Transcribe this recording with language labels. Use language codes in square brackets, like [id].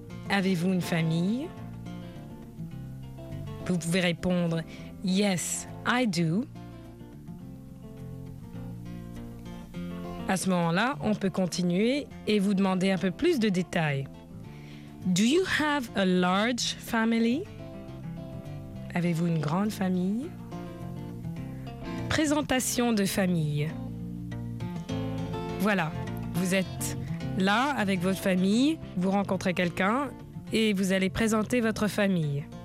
[fr] Avez-vous une famille? Vous pouvez répondre [en] Yes, I do. [fr] À ce moment-là, on peut continuer et vous demander un peu plus de détails. [en] Do you have a large family? [fr] Avez-vous une grande famille? Présentation de famille. Voilà, vous êtes là avec votre famille, vous rencontrez quelqu'un et vous allez présenter votre famille.